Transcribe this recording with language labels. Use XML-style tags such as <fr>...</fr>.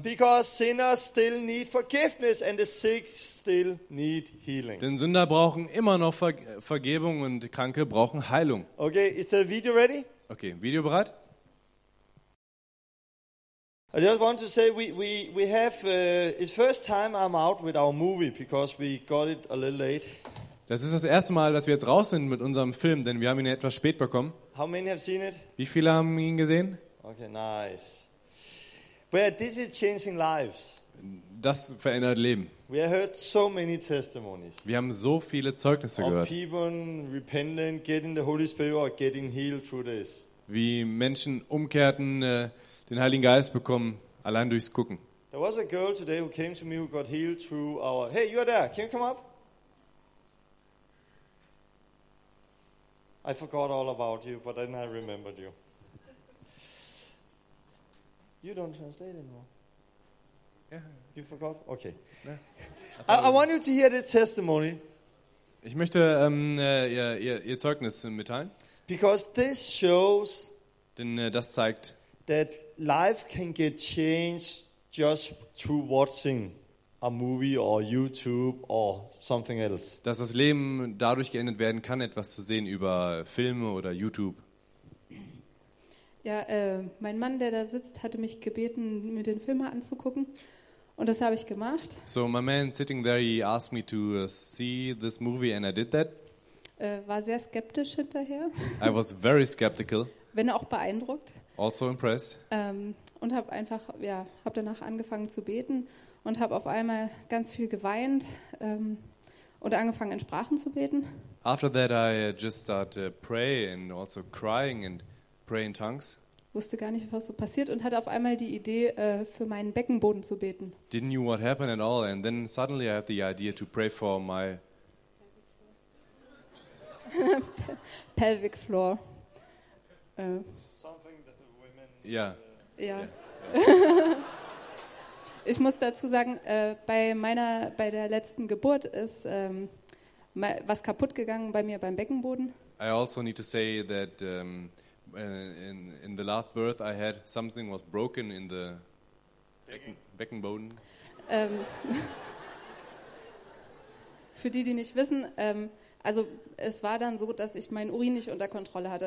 <en>Because sinners still need forgiveness and the sick still need healing.</en> <de>Denn Sünder brauchen immer noch Vergebung und Kranke brauchen Heilung.</de> <en>Okay, is the video ready?</en> <de>Okay, Video bereit?</de> <en>I just want to say we have it's first time I'm out with our movie because we got it a little late.</en> <de>Das ist das erste Mal, dass wir jetzt raus sind mit unserem Film, denn wir haben ihn etwas spät bekommen.</de> <en>How many have seen it?</en> <de>Wie viele haben ihn gesehen?</de> <en>Okay, nice. But this is changing lives.</en> <de>Das verändert Leben.</de> <en>We have heard so many testimonies.</en> <de>Wir haben so viele Zeugnisse gehört.</de> <en>People repenting, getting the Holy Spirit or getting healed through this.</en> <de>Wie Menschen umkehrten, den Heiligen Geist bekommen, allein durchs Gucken.</de> <en>There was a girl today who came to me who got healed through our. Hey, you are there. Can you come up? I forgot all about you, but then I remembered you. You don't translate anymore. Yeah. You forgot? Okay. Yeah. I want you to hear this testimony.</en> <de>Ich möchte ihr Zeugnis mitteilen.</de> <en>Because this shows.</en> <de>Denn das zeigt.</de> <en>That life can get changed just through watching a movie or YouTube or something else.</en> <de>Dass das Leben dadurch geändert werden kann, etwas zu sehen über Filme oder YouTube. Ja, mein Mann, der da sitzt, hatte mich gebeten, mir den Film anzugucken, und das habe ich gemacht.</de> <en>So my man sitting there, he asked me to see this movie and I did that.</en> <de>War sehr skeptisch hinterher.</de> <en>I was very skeptical.</en> <de>Wenn auch beeindruckt.</de> <en>Also impressed.</en> <de>Und habe einfach, ja, habe danach angefangen zu beten. Und habe auf einmal ganz viel geweint und angefangen in Sprachen zu beten.</de> <en>After that I just started praying and also crying and praying in tongues.</en> <de>wusste gar nicht, was so passiert und hatte auf einmal die Idee, für meinen Beckenboden zu beten.</de> <en>Didn't know what happened at all, and then suddenly I had the idea to pray for my pelvic floor. Something that the women. Yeah.</en> <de>Ich muss dazu sagen, bei der letzten Geburt ist was kaputt gegangen bei mir beim Beckenboden.</de> <en>I also need to say that in the last birth I had something was broken in the Beckenboden.</en> <de>Für die nicht wissen, also es war dann so, dass ich meinen Urin nicht unter Kontrolle hatte.</de>